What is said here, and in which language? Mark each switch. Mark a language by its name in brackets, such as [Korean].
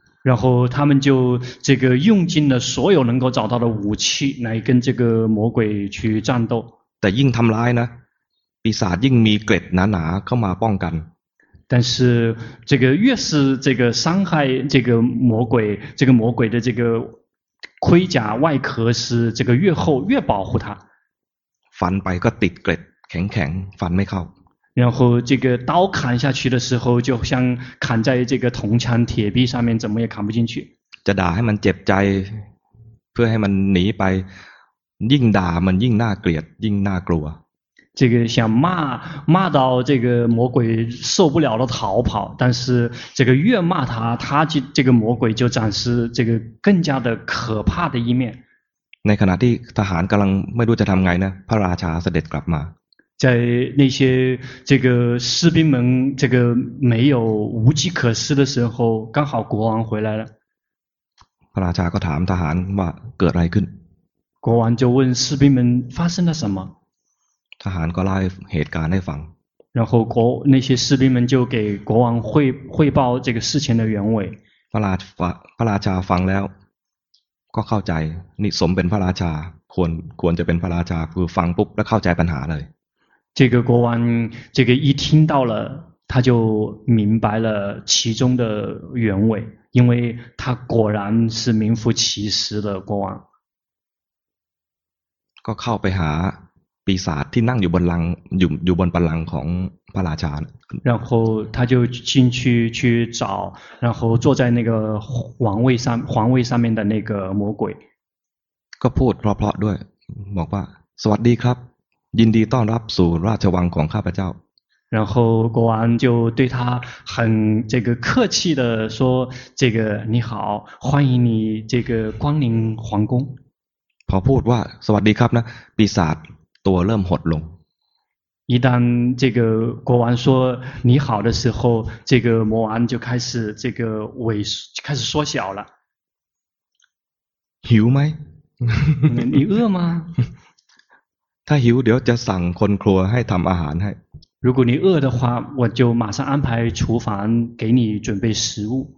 [Chinese] 然后他们就这个用尽了所有能够找到的武器来跟这个魔鬼去战斗。 [Thai] แต่ยิ่งทำร้ายนะปีศาจยิ่งมีเกล็ดหนาๆเข้ามาป้องกัน。 [Chinese] 但是这个越是这个伤害这个魔鬼，这个魔鬼的这个盔甲外壳是这个越厚越保护他。 [Thai] ฟันไปก็ติดเกล็ดแข็งๆฟันไม่เข้า。 [Chinese] 然后这个刀砍下去的时候就像砍在这个铜墙铁壁上面怎么也砍不进去 [Thai] จะด่าให้มันเจ็บใจเพื่อให้มันหนีไปยิ่งด่ามันยิ่งน่าเกลียดยิ่งน่ากลัว [Chinese] 这个想骂到这个魔鬼受不了了逃跑但是这个越骂他这个魔鬼就展示这个更加的可怕的一面 [Thai] ในขณะที่ทหารกำลังไม่รู้จะทำไงนะพระราชาเสด็จกลับมา [Chinese] 在那些这个士兵们这个没有无计可施的时候刚好国王回来了 [Thai] พระราชาก็ถามทหารว่าเกิดอะไรขึ้น [Chinese] 国王就问士兵们发生了什么 [Thai] ทหารก็เล่าเหตุการณ์ให้ฟัง [Chinese] 然后国那些士兵们就给国王汇报这个事情的原委 [Thai] พระราชาฟังแล้วก็เข้าใจนี่สมเป็นพระราชาควรจะเป็นพระราชาคือฟังปุ๊บแล้วเข้าใจปัญหาเลย [Chinese] 这个国王这个一听到了他就明白了其中的原委因为他果然是名副其实的国王 [Thai] ก็เข้าไปหาปีศาจที่นั่งอยู่บนลังอยู่บนบัลลังก์ของพระราชา [Chinese] 然后他就进去去找然后坐在那个皇位上面的那个魔鬼 [Thai] ก็พูดเพราะๆด้วยบอกว่าสวัสดีครับยินดีต้อนรับสู่ราชวังของข้าพเจ้า [Chinese] 然后国王就对他很这个客气的说这个你好欢迎你这个光临皇宫 [Thai] พอพูดว่าสวัสดีครับนะปีศาจตัวเริ่มหดลง [Chinese] 一旦这个国王说你好的时候这个魔王就开始这个萎开始缩小了 [Thai] หิวไหม [Chinese] 你饿吗 [Thai] ถ้าหิวเดี๋ยวจะสั่งคนครัวให้ทำอาหารให้ [Chinese] 如果你饿的话我就马上安排厨房给你准备食物